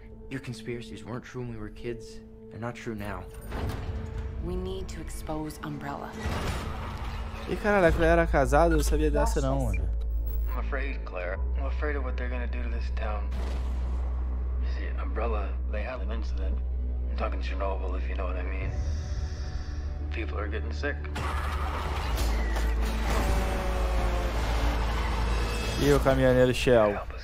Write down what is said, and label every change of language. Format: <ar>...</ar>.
<en>Your conspiracies weren't true when we were kids, they're not true now. We need to expose Umbrella.</en> <pt>E caralho, a Claire era casada, eu não sabia dessa não, mano.</pt> <en>I'm afraid, Claire. I'm afraid of what they're gonna do to this town. You see, Umbrella, they had an incident. I'm talking Chernobyl, if you know what I mean. People are getting sick.</en> <pt>E o caminhoneiro Shell.</pt>